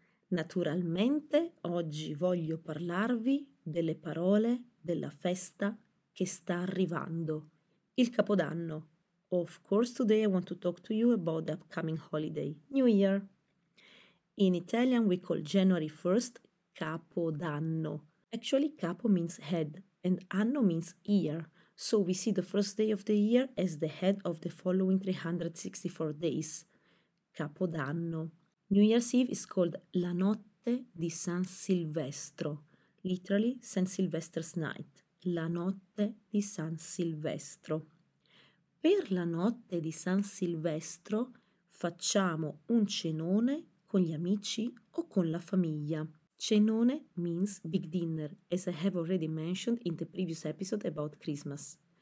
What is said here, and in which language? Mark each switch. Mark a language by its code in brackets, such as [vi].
[it] Naturalmente, oggi voglio parlarvi delle parole della festa che sta arrivando, il Capodanno. [en] Of course, today I want to talk to you about the upcoming holiday, New Year. In Italian we call January 1st Capodanno. Actually, capo means head and anno means year. So we see the first day of the year as the head of the following 364 days, Capodanno. New Year's Eve is called La Notte di San Silvestro, literally San Silvester's Night, La Notte di San Silvestro. [it] Per la Notte di San Silvestro facciamo un cenone con gli amici o con la famiglia. [en] Cenone means big dinner, as I have already mentioned in the previous episode about Christmas.